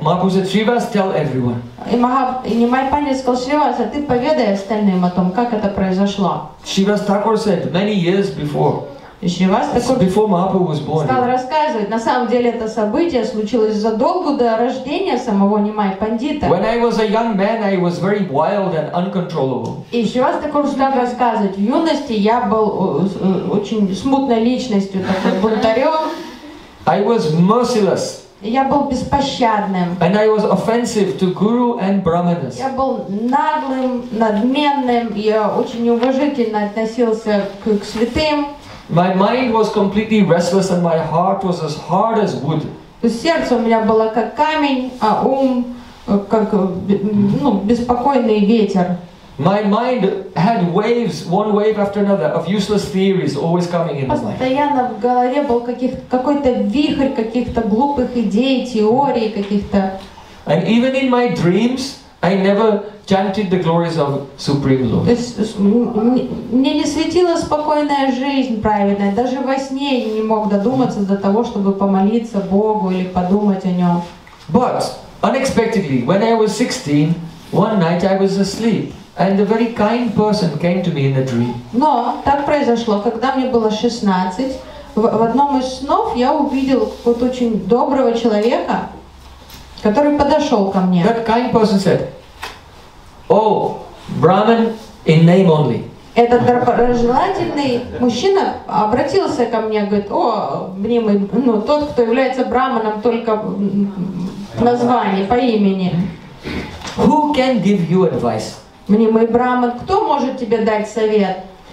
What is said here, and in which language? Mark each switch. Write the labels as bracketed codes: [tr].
[en] Махапуза Шривас, tell everyone. [ru] И Майпани сказал, Шривас, а ты поведай остальным о том, как это произошло. [en] Шивастакур said, many years before. [ru] И Шривастакур [en] before Махапу was born. [ru] Стал рассказывать, на самом деле это событие случилось задолго до рождения самого Нимай Пандита. [en] When I was a young man, I was very wild and uncontrollable. [ru] И Шривастакур стал рассказывать, в юности я был очень смутной личностью, таким бунтарем. [en] I was merciless. [ru] Я был беспощадным. [en] And I was offensive to guru and brahmanas. [ru] Я был наглым, надменным, я очень неуважительно относился к святым. [en] My mind was completely restless and my heart was as hard as wood. [ru] Сердце у меня было как камень, а ум как беспокойный ветер. [en] My mind had waves, one wave after another, of useless theories always coming in my mind. [ru] Постоянно в голове был какой-то вихрь каких-то глупых идей, теорий каких-то. [en] And even in my dreams, I never chanted the glories of Supreme Lord. [ru] Мне не светила спокойная жизнь праведная. Даже во сне я не мог додуматься до того, чтобы помолиться Богу или подумать о нем. [en] But unexpectedly, when I was 16, one night I was asleep, and a very kind person came to me in a dream. [ru] Но так произошло, когда мне было 16, в одном из снов я увидел вот очень доброго человека, который подошел ко мне. [en] That kind person said, oh, Brahman, in name only. [ru] Этот доброжелательный мужчина обратился ко мне, говорит, о, мнимый, тот, кто является Брахманом только в названии, по имени. [en] Who can give you advice? [ru] Мнимый Брахман, кто может тебе дать совет?